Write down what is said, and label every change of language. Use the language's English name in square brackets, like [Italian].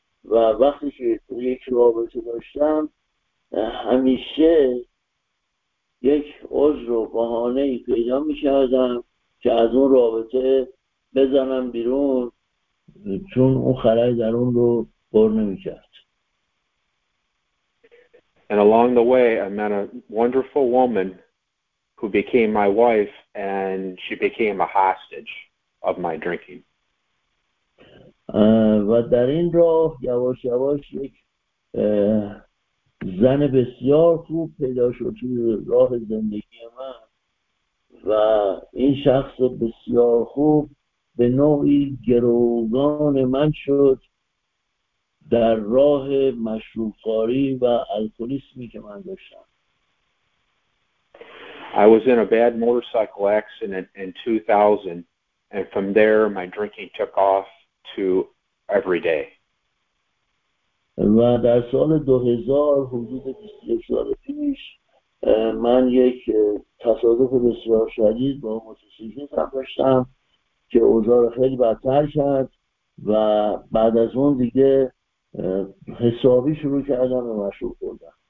[Persian] و وقتی که یک رابطه داشتم، همیشه یک عذر و بهانه‌ای پیدا می‌کردم که از اون رابطه بزنم بیرون، چون اون خلأ درون رو پر نمی‌کرد. [English] And along the way I met a wonderful woman who became my wife, and she became a hostage of my drinking. [Persian] و در این راه یواش یواش یک زن بسیار خوب پیدا شد توی راه زندگی من، و این شخص بسیار خوب به نوعی گروگان من شد در راه مشروبخواری و الکلیسمی که من داشتم. [English] I was in a bad motorcycle accident in 2000, and from there my drinking took off to every day. [Persian] و در سال 2000 حدود 21 سال پیش من یک تصادف بسیار شدید با موتورسیکلت داشتم که اوضاع رو خیلی بدتر کرد، و بعد از اون دیگه حسابی شروع کردم به مشروب خوردن.